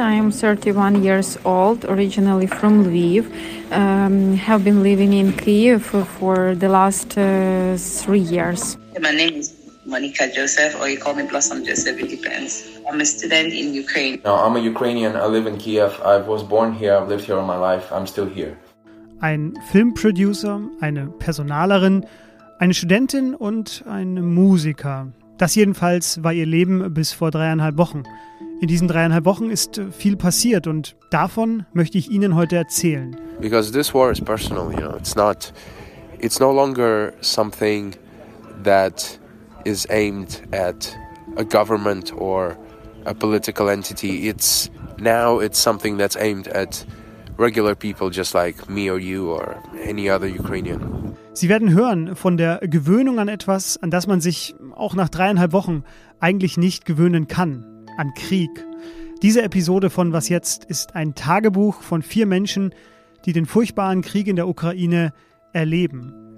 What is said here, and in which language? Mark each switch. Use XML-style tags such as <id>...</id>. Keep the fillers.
<en>I am 31 years old, originally from Lviv. Um, have been living in Kiev for the last uh, three years. My name is Monica Joseph, or you call me Blossom Joseph, it depends. I'm a student in Ukraine. No, I'm a Ukrainian. I live in Kiev. I was born here. I've lived here all my life. I'm still here.</en> <de>Ein Filmproducer, eine Personalerin, eine Studentin und ein Musiker. Das jedenfalls war ihr Leben bis vor dreieinhalb Wochen. In diesen dreieinhalb Wochen ist viel passiert und davon möchte ich Ihnen heute erzählen.</de> <en>Because this war is personal, you know. It's not it's no longer something that is aimed at a government or a political entity. It's now it's something that's aimed at regular people just like me or you or any other Ukrainian.</en> <de>Sie werden hören von der Gewöhnung an etwas, an das man sich auch nach dreieinhalb Wochen eigentlich nicht gewöhnen kann, an Krieg. Diese Episode von Was jetzt ist ein Tagebuch von vier Menschen, die den furchtbaren Krieg in der Ukraine erleben.</de>